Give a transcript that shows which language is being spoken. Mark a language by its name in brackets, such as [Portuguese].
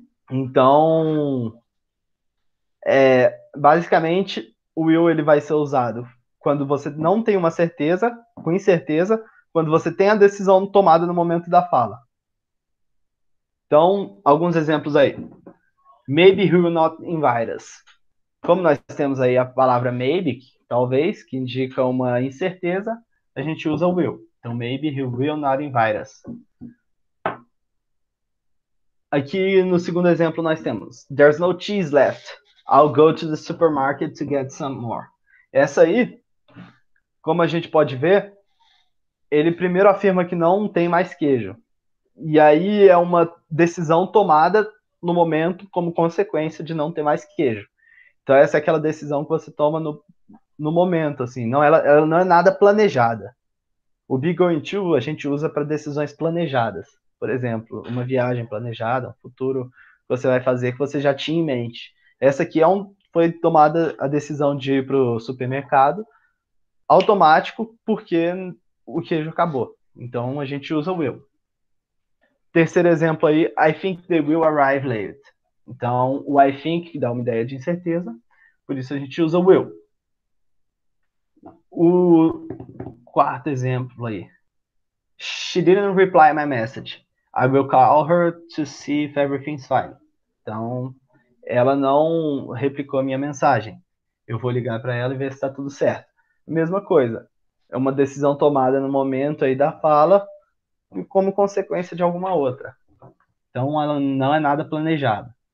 [Portuguese] Então, basicamente, o will ele vai ser usado quando você não tem uma certeza, com incerteza, quando você tem a decisão tomada no momento da fala. Então, alguns exemplos aí. [English] Maybe he will not invite us. [Portuguese] Como nós temos aí a palavra maybe, talvez, que indica uma incerteza, a gente usa o will. [English] Então, maybe he will not invite us. [Portuguese] Aqui no segundo exemplo nós temos: [English] There's no cheese left. I'll go to the supermarket to get some more. [Portuguese] Essa aí, como a gente pode ver, ele primeiro afirma que não tem mais queijo. E aí é uma decisão tomada no momento como consequência de não ter mais queijo. Então essa é aquela decisão que você toma no momento, assim. Não, ela não é nada planejada. O be going to a gente usa para decisões planejadas. Por exemplo, uma viagem planejada, um futuro que você vai fazer que você já tinha em mente. Essa aqui foi tomada a decisão de ir para o supermercado automático porque o queijo acabou. Então a gente usa o will. Terceiro exemplo aí, [English] I think they will arrive late. [Portuguese] Então, o I think dá uma ideia de incerteza, por isso a gente usa o will. O quarto exemplo aí, [English] she didn't reply my message. I will call her to see if everything's fine. [Portuguese] Então, ela não replicou a minha mensagem. Eu vou ligar para ela e ver se está tudo certo. Mesma coisa, é uma decisão tomada no momento aí da fala. E como consequência de alguma outra. Então, ela não é nada planejado.